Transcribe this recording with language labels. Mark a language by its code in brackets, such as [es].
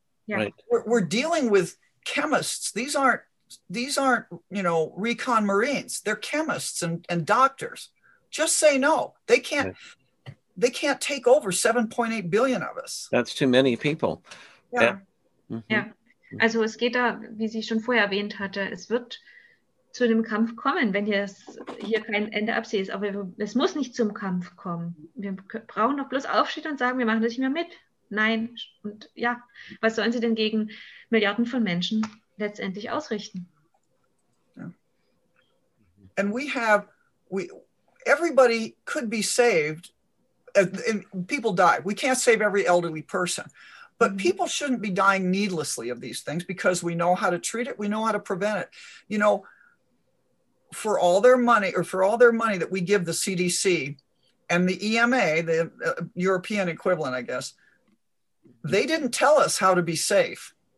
[en] Yeah. Right. We're dealing with chemists. These aren't, you know, recon Marines. They're chemists and doctors. Just say no. They can't take over 7.8 billion of us. That's too many people. Yeah. Yeah. Mm-hmm. Yeah. [de] Also es geht da, wie sie schon vorher erwähnt hatte, es wird zu einem Kampf kommen, wenn hier kein Ende absieht. Aber es muss nicht zum Kampf kommen. Wir brauchen doch bloß Aufstehen und sagen, wir machen das nicht mehr mit. Nein. Und ja, was sollen sie denn gegen Milliarden von Menschen letztendlich ausrichten? [en] Yeah. And we have, everybody could be saved, and people die. We can't save every elderly person, but people shouldn't be dying needlessly of these things because we know how to treat it, we know how to prevent it. You know, for all their money, or for all their money that we give the CDC and the EMA, the European equivalent, I guess, they didn't tell us how to be safe.